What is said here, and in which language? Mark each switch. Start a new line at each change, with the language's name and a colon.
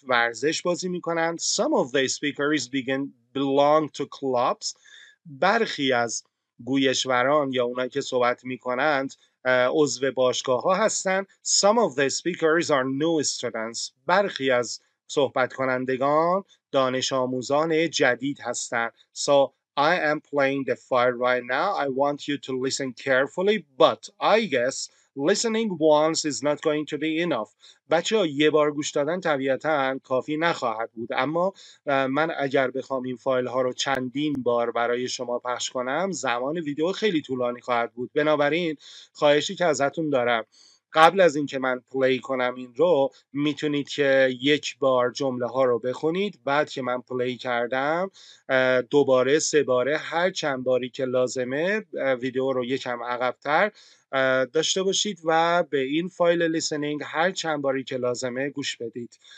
Persian: ورزش بازی میکنند.
English: Some of the speakers belong to clubs.
Persian: برخی از گویشوران یا اونایی که صحبت میکنند عضو باشگاه ها هستن.
English: Some of the speakers are new students.
Persian: برخی از صحبت کنندگان دانش آموزان جدید هستن.
English: So I am playing the fire right now. I want you to listen carefully, but I guess listening once is not going to be enough.
Persian: بچه ها یه بار گوش دادن طبیعتاً کافی نخواهد بود. اما من اگر بخوام این فایل ها رو چندین بار برای شما پخش کنم، زمان ویدیو خیلی طولانی خواهد بود. بنابراین خواهشی که ازتون دارم، قبل از اینکه من پلی کنم این رو، میتونید که یک بار جمله ها رو بخونید، بعد که من پلی کردم دوباره، سه باره، هر چند باری که لازمه ویدیو رو یکم عقب‌تر داشته باشید و به این فایل لیسنینگ هر چند باری که لازمه گوش بدید.